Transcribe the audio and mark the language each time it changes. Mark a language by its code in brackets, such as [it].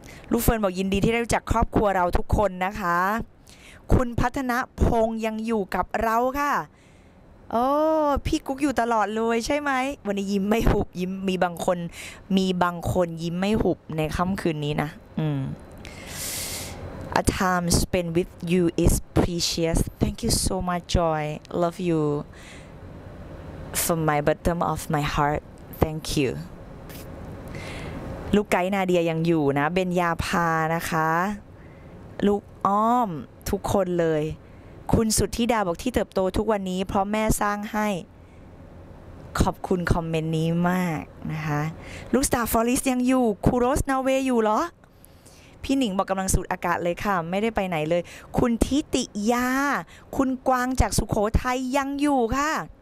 [th] ลูกเฟิร์นบอกยินดีที่ได้รู้จักครอบครัวเราทุกคนนะคะคุณพัฒนาพงยังอยู่กับเราค่ะโอ้พี่กุ๊กอยู่ตลอดเลยใช่ไหมวันนี้ยิ้มไม่หุบยิ้มมีบางคนยิ้มไม่หุบในค่ำคืนนี้นะ [en] A time spent with you is precious. Thank you so much, Joy. Love you from my bottom of my heartThank you. [th] ลูกไกด์นาเดียยังอยู่นะเบญญาภานะคะลูกอ้อมทุกคนเลยคุณสุทธิดาบอกที่เติบโตทุกวันนี้เพราะแม่สร้างใ ขอบคุณคอมเมนต์นี้มากนะคะลูกสตาร์ฟอริสยังอยู่คูโรสนอร์เวย์อยู่เหรอพี่หนิงบอกกำลังสูดอากาศเลยค่ะไม่ได้ไปไหนเลยคุณทิติยาคุณกวางจากสุโขทัยยังอยู่ค่ะ